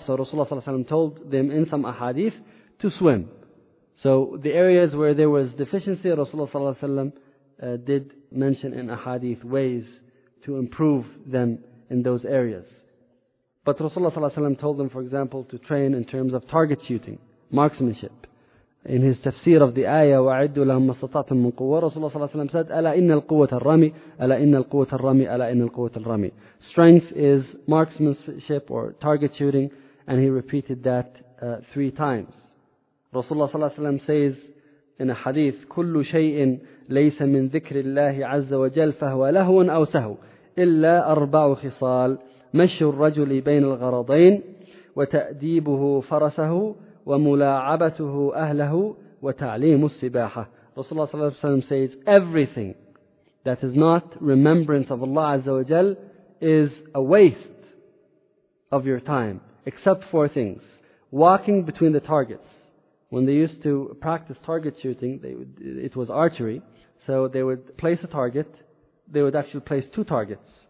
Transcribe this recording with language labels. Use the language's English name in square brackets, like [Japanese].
[English] So Rasulullah ﷺ told them in some ahadith to swim. So the areas where there was deficiency, Rasulullah ﷺ did mention in ahadith ways to improve them in those areas. But Rasulullah ﷺ told them, for example, to train in terms of target shooting, marksmanship. In his tafsir of the ayah, [Arabic] وَعِدُّ لَهُمْ مَسْتَطَعْتُمْ مِنْ قُوَّةٍ, Rasulullah صلى الله عليه وسلم [English] said, [Arabic] أَلَا إِنَّ الْقُوَّةَ الرَّمِي, أَلَا إِنَّ الْقُوَّةَ الرَّمِي, أَلَا إِنَّ الْقُوَّةَ الرَّمِي. [English] Strength is marksmanship or target shooting, and he repeated that three times. [Arabic] Rasulullah صلى الله عليه وسلم [English] says in a hadith, [Arabic] كُلُّ شَيْءٍ لَيْسَ مِنْ ذِكْرِ اللَّهِ عَزَّ وَجَلْ فَهُوَ لَهُوًا أَوْ سَهْوٌ إِلَّا أَرْبَعُ خِصَالٍ مَشْيُ الرَّجُلِ بَيْنَ الْغَرَضَيْنِ وَتَأْدِيبُهُ فَرَسَهُ وَمُلَاعَبَتُهُ أَهْلَهُ وَتَعْلِيمُ السِّبَاحَةِ. [English] Rasulullah ﷺ says, everything that is not remembrance of Allah Azza wa Jal is a waste of your time, except four things. Walking between the targets. When they used to practice target shooting, it was archery, so they would place a target, they would actually place two targets.